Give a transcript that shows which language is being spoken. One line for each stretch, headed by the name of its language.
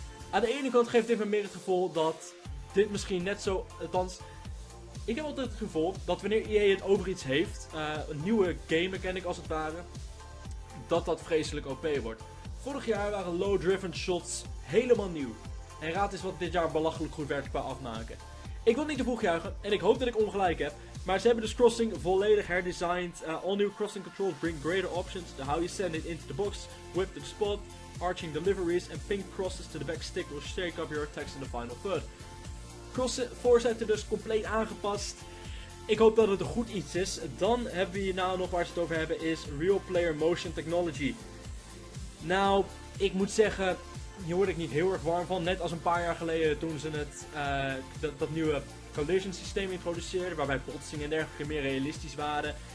Dutch: Aan de ene kant geeft dit me meer het gevoel dat dit misschien net zo, althans, ik heb altijd het gevoel dat wanneer EA het over iets heeft, een nieuwe game ken ik als het ware, dat dat vreselijk OP wordt. Vorig jaar waren low-driven shots helemaal nieuw. En raad eens wat dit jaar belachelijk goed werd qua afmaken. Ik wil niet te vroeg juichen en ik hoop dat ik ongelijk heb. Maar ze hebben dus Crossing volledig herdesigned.
English: All new Crossing controls bring greater options to how you send it into the box, whip the spot, arching deliveries and pink crosses to the back stick will shake up your attacks in the final third.
Dutch: Crossing Force heeft er dus compleet aangepast. Ik hoop dat het een goed iets is. Dan hebben we hier nou nog waar ze het over hebben is Real Player Motion Technology. Nou, ik moet zeggen, hier word ik niet heel erg warm van. Net als een paar jaar geleden toen ze het dat nieuwe collision systeem introduceerden, waarbij botsingen en dergelijke meer realistisch waren.